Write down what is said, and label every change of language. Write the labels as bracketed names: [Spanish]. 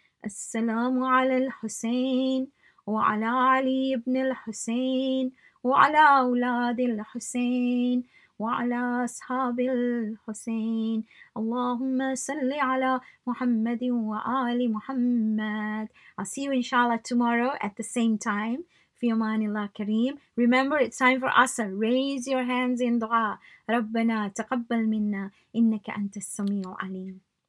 [Arabic] السلام على الحسين وعلى علي بن الحسين وعلى أولاد الحسين وعلى أصحاب الحسين. اللهم صل على محمد وآل محمد. [English] I'll see you inshallah tomorrow at the same time. [Arabic] في أمان الله كريم. [English] Remember, it's time for Asr. Raise your hands in dua. [Arabic] ربنا تقبل منا إنك أنت السميع العليم.